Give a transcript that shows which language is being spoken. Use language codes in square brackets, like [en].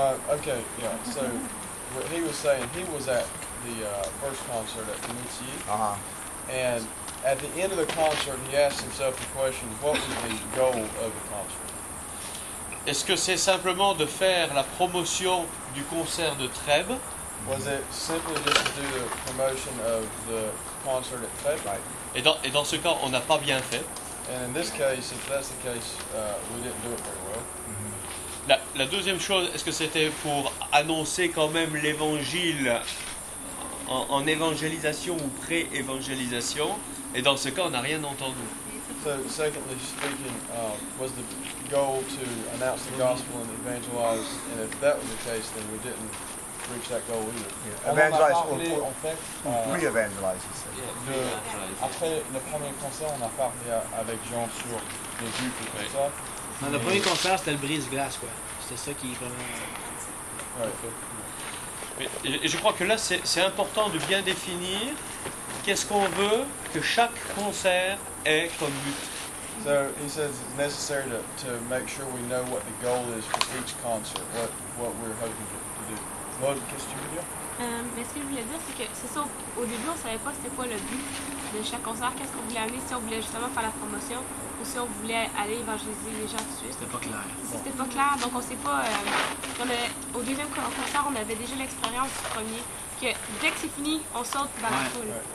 [en] Okay, yeah, so what he was saying, he was at the first concert at Moutier, and at the end of the concert, he asked himself the question, what was the goal of the concert? [fr] Est-ce que c'est simplement de faire la promotion du concert de Trèbes? [en] Was it simply just to do the promotion of the concert at Trèbes? Right. [fr] Et dans ce cas, on n'a pas bien fait. [en] And in this case, if that's the case, we didn't do it very well. Mm-hmm. [fr] La deuxième chose, est-ce que c'était pour annoncer quand même l'évangile en évangélisation ou pré-évangélisation? Et dans ce cas, on n'a rien entendu. [en] So, secondly speaking, was the goal to announce the gospel and evangelize? And if that was the case, then we didn't reach that goal either. Yeah. Evangelize or re-evangelize, you said. [fr] Après le premier concert, on a parlé avec Jean sur les vues et tout ça. Dans le premier concert, c'était le brise-glace, quoi. C'était ça qui est vraiment... Mais, et je crois que là, c'est important de bien définir qu'est-ce qu'on veut que chaque concert ait comme but. [en] So, he says it's necessary to make sure we know what the goal is for each concert, what we're hoping to do. [fr] Bon, qu'est-ce que tu veux dire? Mais ce que je voulais dire, c'est que c'est ça, au début, on ne savait pas c'était quoi le but de chaque concert, qu'est-ce qu'on voulait amener, si on voulait justement faire la promotion ou si on voulait aller évangéliser les gens dessus. C'était pas clair. C'était pas clair, donc on ne sait pas. Au deuxième concert, on avait déjà l'expérience du premier, que dès que c'est fini, on saute dans la foule.